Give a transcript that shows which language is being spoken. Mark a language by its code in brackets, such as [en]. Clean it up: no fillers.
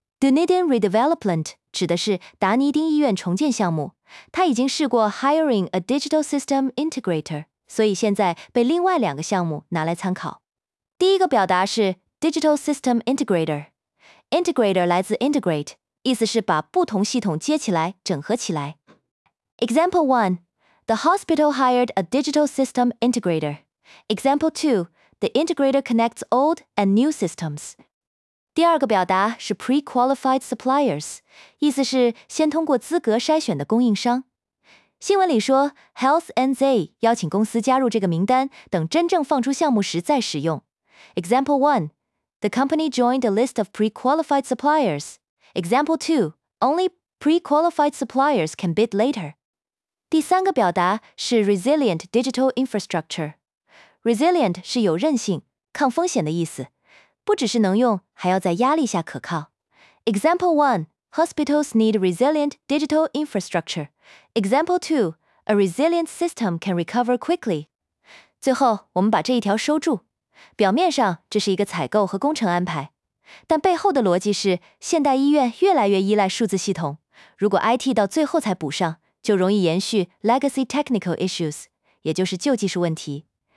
[zh] Dunedin Redevelopment 指的是达尼丁医院重建项目，他已经试过 [en] hiring a digital system integrator， [zh] 所以现在被另外两个项目拿来参考。第一个表达是 digital system integrator， integrator 来自 integrate， 意思是把不同系统接起来、整合起来。 [en] Example 1， the hospital hired a digital system integrator。 Example 2, the integrator connects old and new systems. [zh] 第二个表达是 pre-qualified suppliers, 意思是先通过资格筛选的供应商。新闻里说 ,Health NZ 邀请公司加入这个名单，等真正放出项目时再使用。 [en] Example 1, the company joined a list of pre-qualified suppliers. Example 2, only pre-qualified suppliers can bid later. [zh] 第三个表达是 resilient digital infrastructure。 Resilient 是有韧性、抗风险的意思，不只是能用，还要在压力下可靠。 [en] Example 1, hospitals need resilient digital infrastructure. Example 2, a resilient system can recover quickly. [zh] 最后，我们把这一条收住。表面上，这是一个采购和工程安排，但背后的逻辑是，现代医院越来越依赖数字系统，如果 IT 到最后才补上，就容易延续 legacy technical issues， 也就是旧技术问题。